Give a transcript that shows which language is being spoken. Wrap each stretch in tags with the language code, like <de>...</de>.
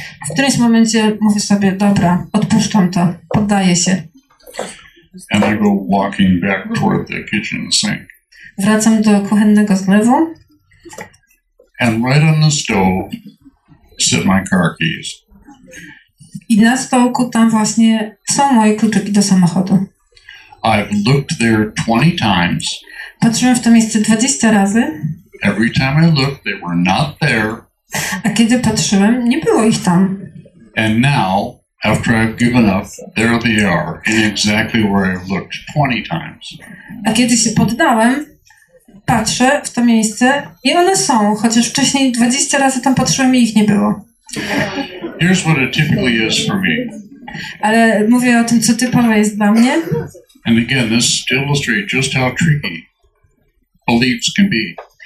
<pl>W którymś momencie mówię sobie, dobra, odpuszczam to, poddaję się.</pl> <en>And I go walking back toward the kitchen sink.</en> <pl>Wracam do kuchennego zlewu.</pl> <en>And right on the stove sit my car keys.</en> <pl>I na stołku tam właśnie są moje kluczyki do samochodu.</pl> <en>I've looked there 20 times.</en> <pl>Patrzyłem w to miejsce 20 razy.</pl> <en>Every time I looked, they were not there.</en> <pl>A kiedy patrzyłem, nie było ich tam.</pl> <en>And now, after I've given up, there they are, in exactly where I've looked 20 times.</en> <pl>A kiedy się poddałem, patrzę w to miejsce i one są, chociaż wcześniej 20 razy tam patrzyłem i ich nie było.</pl> <en>Here's what it typically is for me.</en> <pl>Ale mówię o tym, co typowe jest dla mnie.</pl> <en>And again, this illustrates just how tricky beliefs can be.</en>